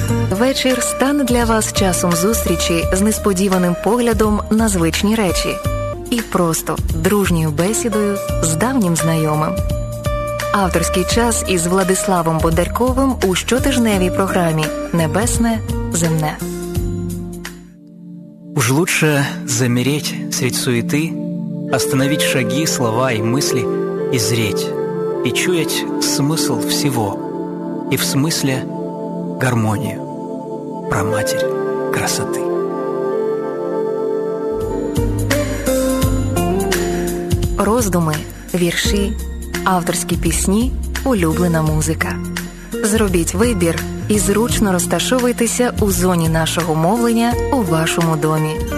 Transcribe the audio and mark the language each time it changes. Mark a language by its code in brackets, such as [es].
[uk] Вечір стане для вас часом зустрічі з несподіваним поглядом на звичні речі і просто дружньою бесідою з давнім знайомим. Авторський час із Владиславом Бондарковим у щотижневій програмі «Небесне, земне». [ru] Уж лучше замереть средь суеты, остановить шаги, слова и мысли, и зреть, и чуять смысл всего, и в смысле гармонию, праматерь красоты. [uk] Роздуми, вірші, авторські пісні, улюблена музика. Зробіть вибір і зручно розташовуйтеся у зоні нашого мовлення у вашому домі.